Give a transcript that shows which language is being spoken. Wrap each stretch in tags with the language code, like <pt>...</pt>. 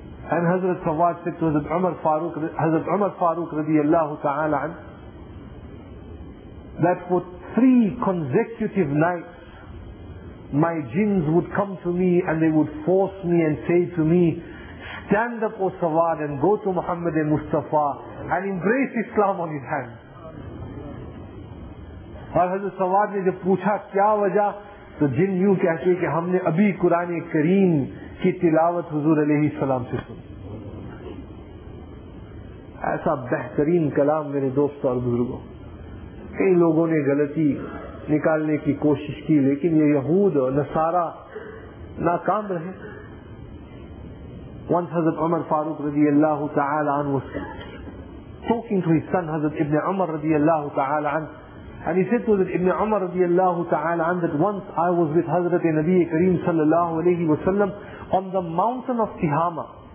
<en>And Hazrat Sawad said to Hazrat Umar Farooq radiallahu ta'ala an, that for three consecutive nights, my jinns would come to me and they would force me and say to me, stand up, O Sawad, and go to Muhammad and Mustafa and embrace Islam on his hand.</en> <ur>اور حضرت سواد نے جب پوچھا کیا وجہ تو جن یوں کہتے ہیں کہ ہم نے ابھی قرآن کریم کی تلاوت حضور علیہ السلام سے سن. ایسا بہترین کلام میرے دوست اور بزرگوں. کئی لوگوں نے غلطی نکالنے کی کوشش کی لیکن یہ یہود اور نصارہ ناکام رہے.</ur> <en>Once حضرت Umar Farooq رضی اللہ تعالی عنہ was talking to his son حضرت ابن عمر رضی اللہ تعالی عنہ and he said to that Ibn Umar رضي الله تعالى عنه that once I was with حضرت نبي كريم صلى الله عليه وسلم on the mountain of Tihama</en>